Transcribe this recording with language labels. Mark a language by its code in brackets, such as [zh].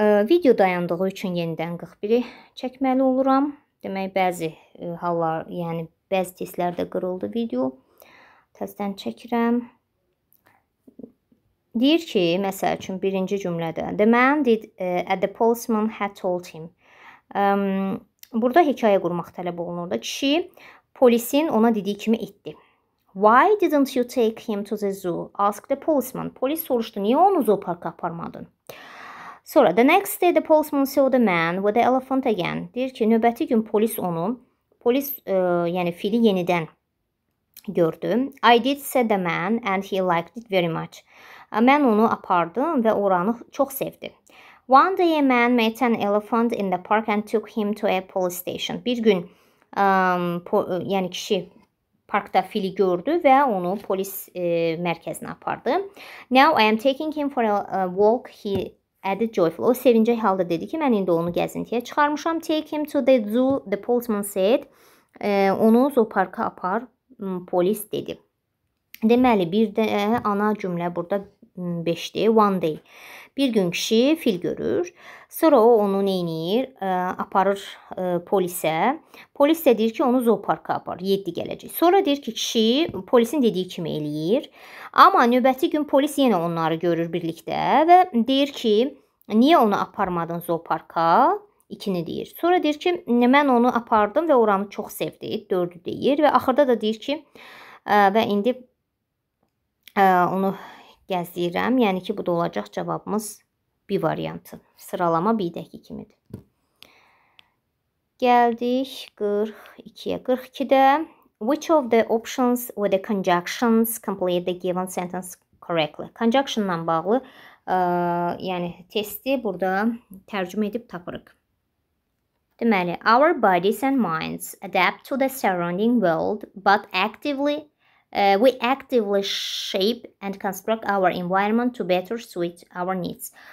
[az] Video dayandığı üçün yenidən 41-i çəkməli oluram. Demək, bəzi hallar, yəni bəzi testlərdə qırıldı video. Təzdən çəkirəm. Deyir ki, məsəl üçün birinci cümlədə. [en] The man did at the policeman had told him. [az] Burada hekayə qurmaq tələb olunur da. Kişi polisin ona dediyi kimi etdi. [en] Why didn't you take him to the zoo? Asked the policeman. [az] Polis soruşdu, niyə onu zooparka aparmadın? Sonra, [en] the next day the policeman saw the man with the elephant again. [az] Deyir ki, növbəti gün polis onu, polis yəni fili yenidən gördü. [en] I did see the man and he liked it very much. [az] Mən onu apardım və oranı çox sevdi. [en] One day a man met an elephant in the park and took him to a police station. [az] Bir gün, yəni kişi parkda fili gördü və onu polis mərkəzinə apardı. [en] Now I am taking him for a walk, he added joyfully. [az] O sevincək halda dedi ki, mən indi onu gəzintiyə çıxarmışam. [en] Take him to the zoo, the policeman said. [az] Onu zooparka apar, polis dedi. Deməli, bir də ana cümlə burada 5'ti. [en] One day. [az] Bir gün kişi fil görür. Sonra o onu neyinir? Aparır polisə. Polis de deyir ki, onu zooparka apar. 7 gələcək. Sonra deyir ki, kişi polisin dediyi kimi eləyir. Amma növbəti gün polis yenə onları görür birlikdə. Və deyir ki, niyə onu aparmadın zooparka? İkini deyir. Sonra deyir ki, mən onu apardım və oranı çox sevdi. 4'ü deyir. Və axırda da deyir ki, və indi onu gəzdirirəm. Yəni ki, bu da olacaq cavabımız bir variantı. Sıralama birdəki kimidir. Gəldik 42-yə. 42-də [en] Which of the options or the conjunctions complete the given sentence correctly? [az] Conjunction-la bağlı yəni testi burada tərcümə edib tapırıq. [en] Deməli, our bodies and minds adapt to the surrounding world, but actively we actively shape and construct our environment to better suit our needs.